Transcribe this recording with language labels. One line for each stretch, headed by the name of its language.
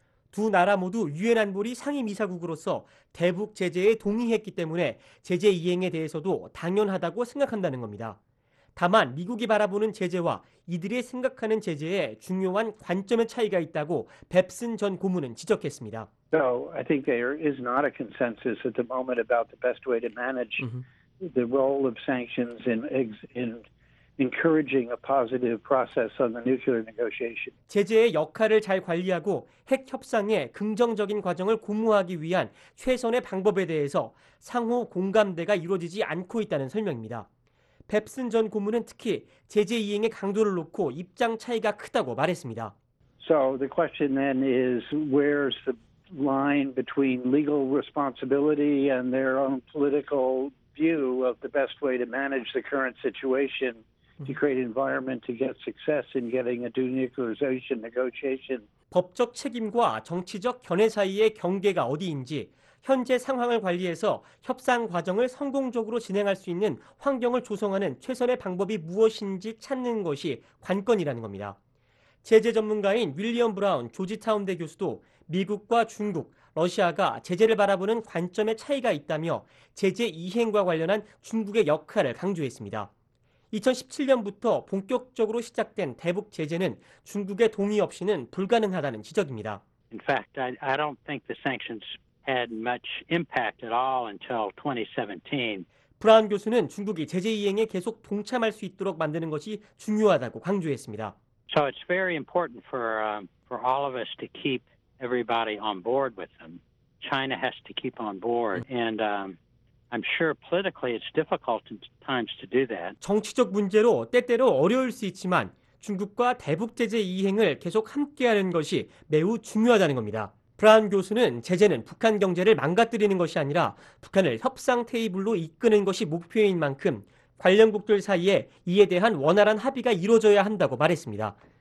Korean: 두 나라 모두 유엔 안보리 상임이사국으로서 대북 제재에 동의했기 때문에 제재 이행에 대해서도 당연하다고 생각한다는 겁니다. 다만 미국이 바라보는 제재와 이들이 생각하는 제재의 중요한 관점의 차이가 있다고 뱁슨 전 고문은 지적했습니다.
English: So I think there is not a consensus at the moment about the best way to manage the role of sanctions in encouraging a positive process on the nuclear negotiation.
Korean: 제재의 역할을 잘 관리하고 핵 협상의 긍정적인 과정을 고무하기 위한 최선의 방법에 대해서 상호 공감대가 이루어지지 않고 있다는 설명입니다. 뱁슨 전 고문은 특히 제재 이행의 강도를 놓고 입장 차이가 크다고 말했습니다.
English: So the question then is where's the line between legal responsibility and their own political view of the best way to manage the current situation to create an environment to get success in getting a denuclearization negotiation.
Korean: 법적 책임과 정치적 견해 사이의 경계가 어디인지 현재 상황을 관리해서 협상 과정을 성공적으로 진행할 수 있는 환경을 조성하는 최선의 방법이 무엇인지 찾는 것이 관건이라는 겁니다. 제재 전문가인 윌리엄 브라운 조지타운대 교수도 미국과 중국, 러시아가 제재를 바라보는 관점의 차이가 있다며 제재 이행과 관련한 중국의 역할을 강조했습니다. 2017년부터 본격적으로 시작된 대북 제재는 중국의 동의 없이는 불가능하다는 지적입니다.
English: In fact, I don't think the sanctions had much impact at all until 2017.
Korean: 브라운 교수는 중국이 제재 이행에 계속 동참할 수 있도록 만드는 것이 중요하다고 강조했습니다.
English: So it's very important for all of us to keep everybody on board with them. China has to keep on board, and I'm sure politically it's difficult at times to do that.
Korean: 정치적 문제로 때때로 어려울 수 있지만 중국과 대북 제재 이행을 계속 함께하는 것이 매우 중요하다는 겁니다. 브라운 교수는 제재는 북한 경제를 망가뜨리는 것이 아니라 북한을 협상 테이블로 이끄는 것이 목표인 만큼 관련국들 사이에 이에 대한 원활한 합의가 이루어져야 한다고 말했습니다.